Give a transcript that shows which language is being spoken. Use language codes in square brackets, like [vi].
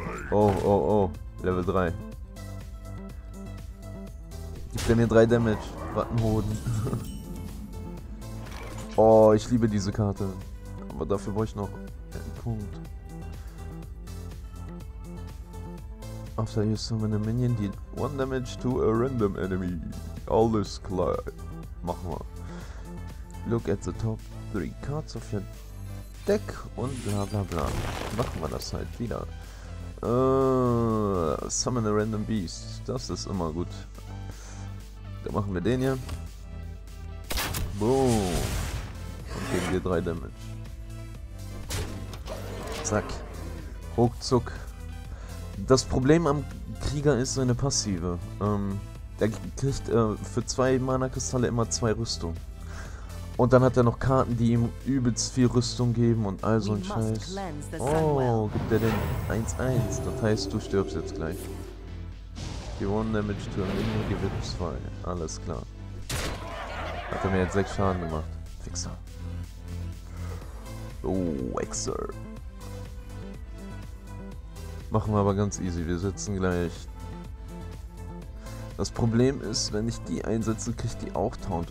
[de] Oh, oh, oh. Level 3. Gib mir 3 Damage. Wattenhoden. Oh, ich liebe diese Karte. Aber dafür brauche ich noch einen Punkt. [en] After you summon a minion, did 1 damage to a random enemy. [de] Alles klar. Machen wir. [en] Look at the top 3 cards of your deck [de] und bla bla bla. Machen wir das halt wieder. [en] Summon a random beast. [de] Das ist immer gut. Dann machen wir den hier. Boom. Und geben dir 3 Damage. Zack. Ruckzuck. Das Problem am Krieger ist seine Passive. Der kriegt für 2 Mana-Kristalle immer 2 Rüstung. Und dann hat er noch Karten, die ihm übelst viel Rüstung geben und all so ein Scheiß. Oh, gibt er den 1-1. Das heißt, du stirbst jetzt gleich. [en] Give 1 Damage to a minion, give it 2. [de] Alles klar. Hat er mir jetzt 6 Schaden gemacht. Fixer. Oh, Wexer. Machen wir aber ganz easy. Wir setzen gleich. Das Problem ist, wenn ich die einsetze, kriegt die auch Taunt.